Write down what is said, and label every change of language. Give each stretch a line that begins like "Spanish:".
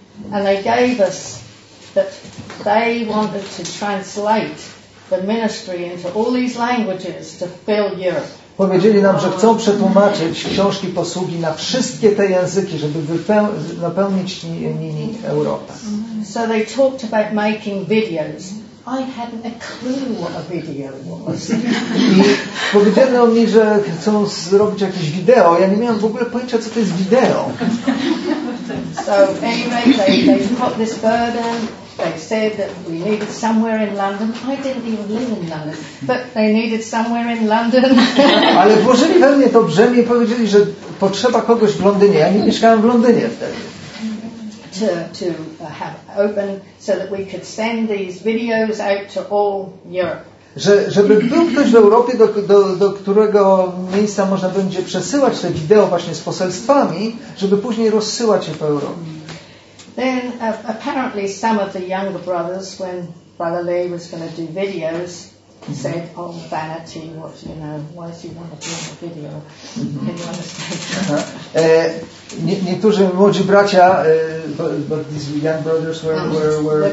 English: I gave us that they wanted to translate the ministry into all these languages to fill Europe.
Polish: Powiedzieli nam, że chcą przetłumaczyć książki posługi na wszystkie te języki, żeby napełnić nimi Europę.
English: So they talked about making videos. I hadn't a clue what a video was.
Polish: I powiedziano mi, że chcą zrobić jakieś wideo. Ja nie miałem w ogóle pojęcia, co to jest wideo.
English: So anyway, they put this burden. They said that we needed somewhere in London. I didn't even live in London, but they needed somewhere in London.
Polish: Ale włożyli we mnie to brzemię i powiedzieli, że potrzeba kogoś w Londynie. Ja nie mieszkałem w Londynie wtedy.
English: To have open so that we could send these videos out to all Europe.
Polish: Żeby był ktoś w Europie, do którego miejsca można będzie przesyłać te wideo właśnie z poselstwami, żeby później rozsyłać je po Europie.
English: Then apparently some of the younger brothers, when Brother Lee was going to do videos, said, oh, vanity, what, you know, why do you want to be on the video? Can you understand?
Polish: Niektórzy młodzi bracia,
English: but these young brothers were